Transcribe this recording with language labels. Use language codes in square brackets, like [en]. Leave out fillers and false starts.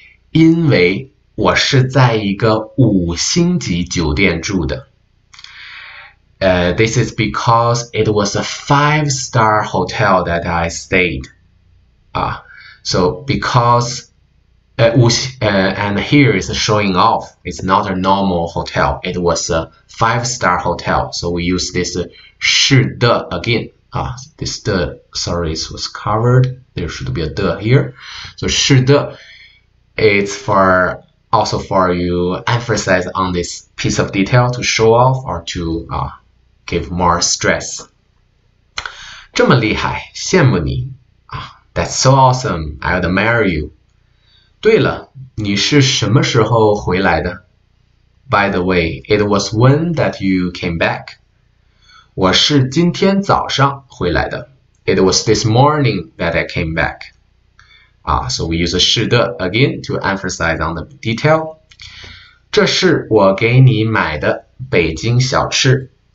[zh] 因为我是在一个五星级酒店住的。 [en] This is because it was a five-star hotel that I stayed. So because 五星, and here is showing off. It's not a normal hotel. It was a five-star hotel. So we use this 是的 again. This the, sorry, this was covered. There should be a the here. So 是的 it's for also for you emphasize on this piece of detail to show off or to give more stress. [zh] 这么厉害，羡慕你啊！ [en] That's so awesome. I admire you. [zh] 对了，你是什么时候回来的？ [en] By the way, it was when that you came back. [zh] 我是今天早上回来的。 [en] It was this morning that I came back. So we use 是的 again to emphasize on the detail. [zh] 这是我给你买的北京小吃。